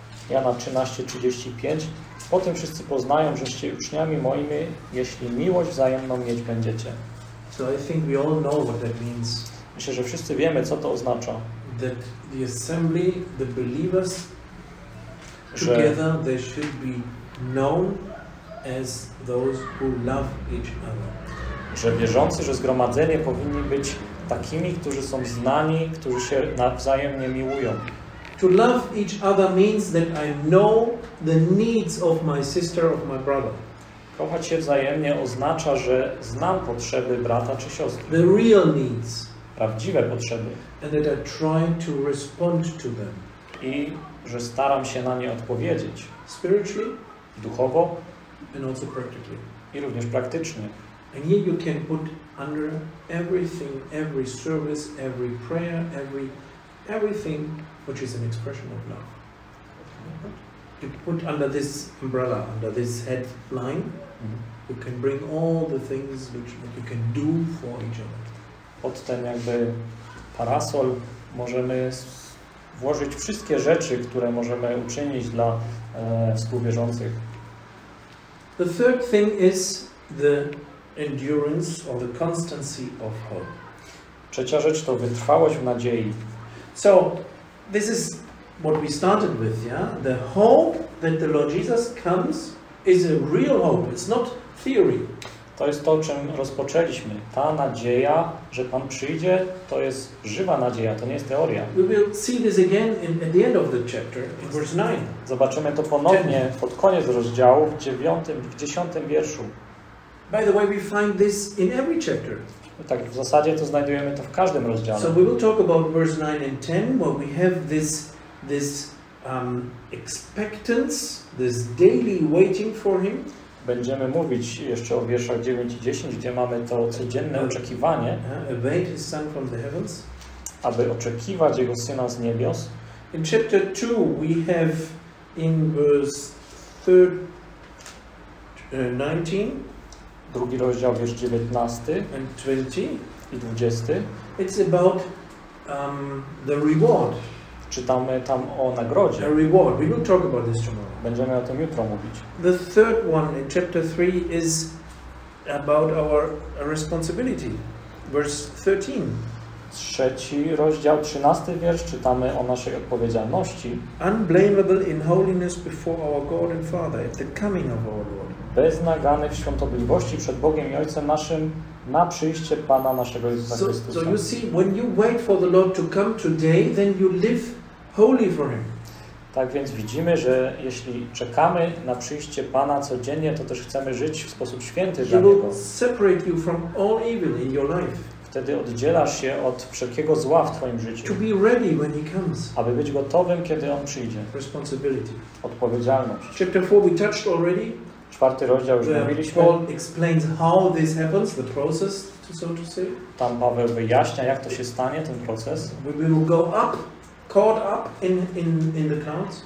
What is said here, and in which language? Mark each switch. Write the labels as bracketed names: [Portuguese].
[Polish] 13:35. Potem wszyscy poznają, żeście uczniami moimi, jeśli miłość wzajemną mieć będziecie. [English] So I think we all know what that means. [Polish] Myślę, że wszyscy wiemy, co to oznacza. [English] That the assembly, the believers, together, they should be known as those who love each other. [Polish] Że wierzący, że zgromadzenie powinni być takimi, którzy są znani, którzy się nawzajem nie miłują. [English] To love each other means that I know the needs of my sister, of my brother. [Polish] Kochać się wzajemnie oznacza, że znam potrzeby brata czy siostry. [English] The real needs. [Polish] Prawdziwe potrzeby. [English] And that I try to respond to them. [Polish] I że staram się na nie odpowiedzieć. [English] Spiritually. [Polish] Duchowo. [English] And also practically. [Polish] I również praktycznie. [English] And here you can put under everything, every service, every prayer, everything which is an expression of love. You put under this umbrella, under this headline, you can bring all the things which you can do for each other. [Polish] Pod ten jakby parasol możemy włożyć wszystkie rzeczy, które możemy uczynić dla współwierzących. [English] The third thing is the endurance or the constancy of hope. [Polish] Trzecia rzecz to wytrwałość w nadziei. [English] So, this is what we started with, yeah? The hope that the Lord Jesus comes is a real hope, it's not theory. [Polish] To jest to, czym rozpoczęliśmy. Ta nadzieja, że Pan przyjdzie, to jest żywa nadzieja, to nie jest teoria. [English] We will see this again at the end of the chapter, in verse 9. [Polish] Zobaczymy to ponownie pod koniec rozdziału, w dziesiątym wierszu. [English] By the way, we find this in every chapter. [Polish] Tak, w zasadzie to znajdujemy to w każdym rozdziale. [English] So we will talk about verse 9 and 10, where we have this expectance, this daily waiting for him. [Polish] Będziemy mówić jeszcze o wierszach 9 i 10, gdzie mamy to codzienne oczekiwanie, [English] await his son from the heavens, [Polish] aby oczekiwać jego syna z niebios. [English] In chapter 2 we have in verse 19. [Polish] drugi rozdział, wiersz 19 [English] and 20. [Polish] I 20. [English] It's about the reward. [Polish] Czytamy tam o nagrodzie. [English] A reward. We will talk about this tomorrow. [Polish] Będziemy o tym jutro mówić. [English] The third one in chapter 3 is about our responsibility. Verse 13. [Polish] Trzeci rozdział, 13 wiersz, czytamy o naszej odpowiedzialności. [English] Unblameable in holiness before our God and Father at the coming of our Lord. [Polish] Bez nagany w świątobliwości przed Bogiem i Ojcem naszym na przyjście Pana naszego Jezusa Chrystusa. [English] So you see, when you wait for the Lord to come today, then you live holy for Him. [Polish] Tak więc widzimy, że jeśli czekamy na przyjście Pana codziennie, to też chcemy żyć w sposób święty dla Niego. [English] He will separate you from all evil in your life. [Polish] Wtedy oddzielasz się od wszelkiego zła w twoim życiu. [English] To be ready when he comes. [Polish] Aby być gotowym, kiedy on przyjdzie. [English] Responsibility. [Polish] Odpowiedzialność. [English] Chapter 4 we touched already. [Polish] Czwarty rozdział już mówiliśmy. [English] Paul explains how this happens, the process, so to say. [Polish] Tam Paweł wyjaśnia, jak to się stanie, ten proces. [English] We will go up, caught up in the clouds.